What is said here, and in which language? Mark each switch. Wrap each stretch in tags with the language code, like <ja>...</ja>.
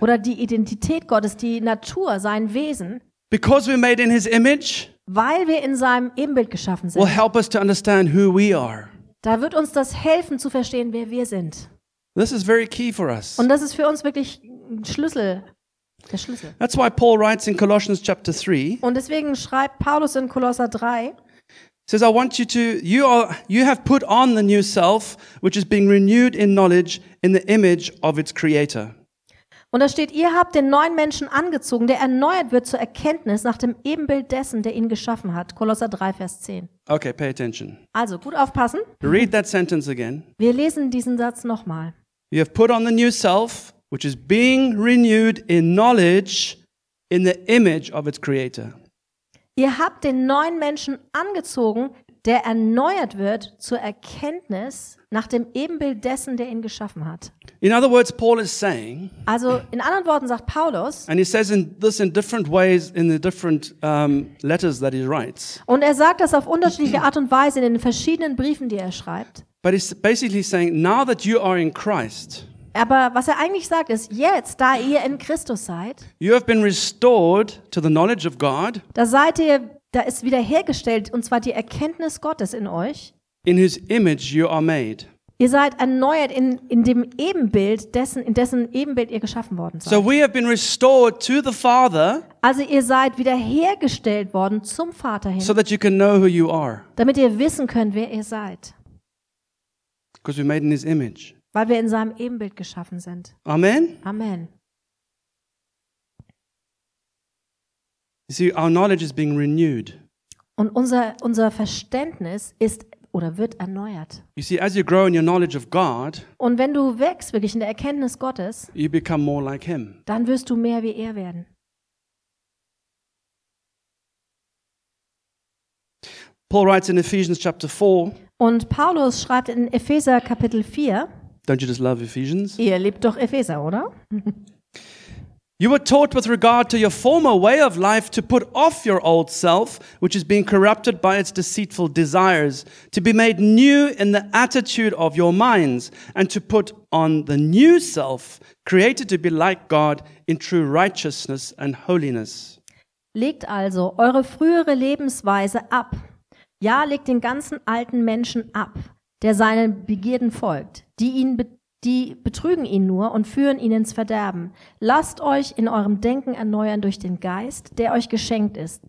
<de>oder die Identität Gottes, die Natur, sein Wesen,</de> <en>because we're made in his image,</en> <de>weil wir in seinem Ebenbild geschaffen sind,</de> <en>will help us to understand who we are.</en> <de>Da wird uns das helfen, zu verstehen, wer wir sind.</de> <en>This is very key for us.</en> <de>Und das ist für uns wirklich der Schlüssel.</de> <en>That's why Paul writes in Colossians chapter 3,</en> <de>und deswegen schreibt Paulus in Kolosser 3,</de> <en>says, "I want you to, you have put on the new self, which is being renewed in knowledge in the image of its creator."</en> <de>Und da steht, ihr habt den neuen Menschen angezogen, der erneuert wird zur Erkenntnis nach dem Ebenbild dessen, der ihn geschaffen hat. Kolosser 3, Vers 10.</de> <en>Okay, pay attention.</en> <de>Also, gut aufpassen.</de> <en>Read that sentence again.</en> <de>Wir lesen diesen Satz nochmal.</de> <en>"You have put on the new self, which is being renewed in knowledge in the image of its creator."</en> <de>Ihr habt den neuen Menschen angezogen, der erneuert wird zur Erkenntnis nach dem Ebenbild dessen, der ihn geschaffen hat.</de> <en>In other words, Paul is saying.</en> <de>Also in anderen Worten sagt Paulus.</de> <en>And he says in this in different ways in the different letters that he writes.</en> <de>Und er sagt das auf unterschiedliche Art und Weise in den verschiedenen Briefen, die er schreibt.</de> <en>But he's basically saying, now that you are in Christ.</en> <de>Aber was er eigentlich sagt ist, jetzt, da ihr in Christus seid,</de> <en>you have been restored to the knowledge of God,</en> <de>da seid ihr, da ist wiederhergestellt, und zwar die Erkenntnis Gottes in euch.</de> <en>In his image you are made.</en> <de>Ihr seid erneuert in dem Ebenbild dessen, in dessen Ebenbild ihr geschaffen worden seid.</de> <en>So we have been restored to the Father,</en> <de>also ihr seid wiederhergestellt worden zum Vater hin,</de> <en>so that you can know who you are.</en> <de>Damit ihr wissen könnt, wer ihr seid.</de> <en>Because we're made in his image.</en> <de>Weil wir in seinem Ebenbild geschaffen sind.</de> <en>Amen.</en> <de>Amen.</de> <en>You see, our knowledge is being renewed.</en> <de>Und unser Verständnis ist oder wird erneuert.</de> <en>You see, as you grow in your knowledge of God,</en> <de>und wenn du wächst wirklich in der Erkenntnis Gottes,</de> <en>you become more like him.</en> <de>Dann wirst du mehr wie er werden.</de> <en>Paul writes in Ephesians chapter 4.</en> <de>Und Paulus schreibt in Epheser Kapitel 4.</de> <en>Don't you just love Ephesians?</en> <de>Ihr liebt doch Epheser, oder?</de> <en>You were taught with regard to your former way of life to put off your old self, which is being corrupted by its deceitful desires, to be made new in the attitude of your minds, and to put on the new self, created to be like God in true righteousness and holiness.</en> <de>Legt also eure frühere Lebensweise ab. Ja, legt den ganzen alten Menschen ab, der seinen Begierden folgt, die betrügen ihn nur und führen ihn ins Verderben. Lasst euch in eurem Denken erneuern durch den Geist, der euch geschenkt ist.</de>